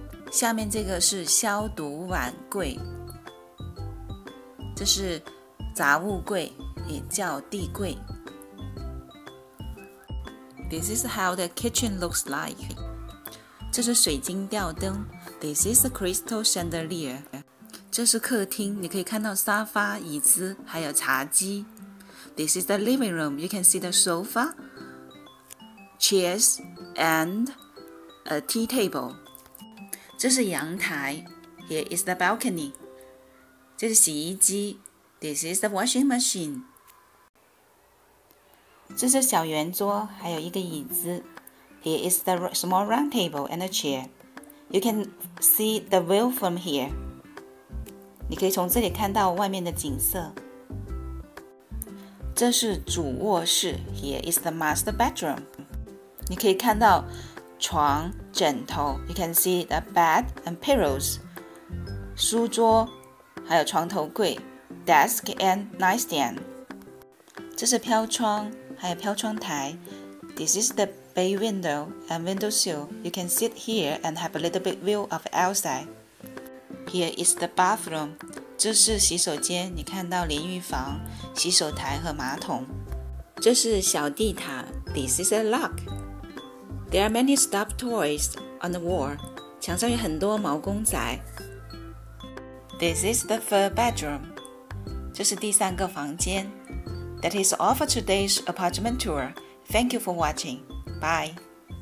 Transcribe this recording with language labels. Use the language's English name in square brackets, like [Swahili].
[Chinese] 下面这个是消毒碗柜，这是杂物柜，也叫地柜。 [English] This is how the kitchen looks like. [Chinese] 这是水晶吊灯。 [English] This is a crystal chandelier. [Chinese] 这是客厅，你可以看到沙发、椅子还有茶几。 [English] This is the living room. You can see the sofa, chairs, and a tea table. [Chinese] 这是阳台。 [English] Here is the balcony. [Chinese] 这是洗衣机。 [English] This is the washing machine. [Chinese] 这是小圆桌，还有一个椅子。 [English] Here is the small round table and a chair. You can see the view from here. [Chinese] 你可以从这里看到外面的景色。这是主卧室。 [English] Here is the master bedroom. [Chinese] 你可以看到床、枕头。 [English] You can see the bed and pillows. [Chinese] 书桌，还有床头柜。 [English] Desk and nightstand. [Chinese] 这是飘窗。还有飘窗台。 [English] This is the bay window and windowsill. You can sit here and have a little bit view of outside. Here is the bathroom. [Chinese] 这是洗手间，你看到淋浴房、洗手台和马桶。这是小地毯。 [English] This is a rug. There are many stuffed toys on the wall. [Chinese] 墙上有很多毛公仔。 [English] This is the third bedroom. [Chinese] 这是第三个房间。 [English] That is all for today's apartment tour. Thank you for watching. Bye.